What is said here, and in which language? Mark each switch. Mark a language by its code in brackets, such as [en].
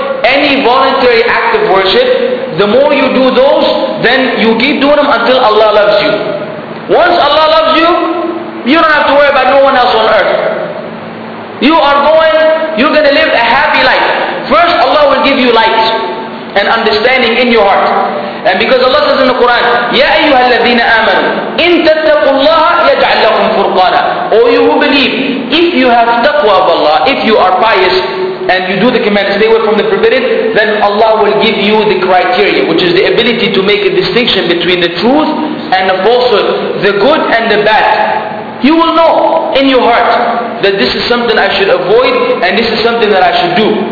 [en] Any voluntary act of worship, the more you do those, then you keep doing them until Allah loves you. Once Allah loves you, you don't have to worry about no one else on earth. You're going to live a happy life. First, Allah will give you light and understanding in your heart. And because Allah says in the Quran, [ar] يَا أَيُّهَا الَّذِينَ آمَنُوا إِن تَتَّقُوا اللَّهَ يَجْعَلْ لَكُمْ فُرْقَانًا. [en] O you who believe, if you have taqwa of Allah, if you are pious, and you do the command, stay away from the forbidden, then Allah will give you the criteria, which is the ability to make a distinction between the truth and the falsehood, the good and the bad. You will know in your heart that this is something I should avoid and this is something that I should do.